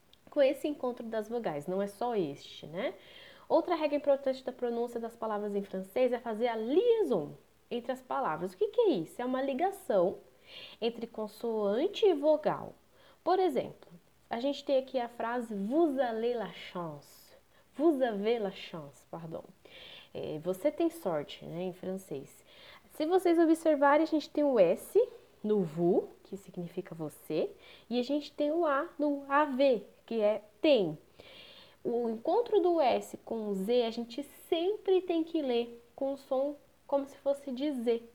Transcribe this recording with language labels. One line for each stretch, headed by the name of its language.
Portuguese: Com esse encontro das vogais, não é só este, né? Outra regra importante da pronúncia das palavras em francês é fazer a liaison entre as palavras. O que que é isso? É uma ligação entre consoante e vogal. Por exemplo, a gente tem aqui a frase
French: vous allez la chance. Vous avez la chance, pardon.
Portuguese: É, você tem sorte, né, em francês. Se vocês observarem, a gente tem o S no vous, que significa você, e a gente tem o A no avez, que é tem. O encontro do S com o Z, a gente sempre tem que ler com o som como se fosse de Z.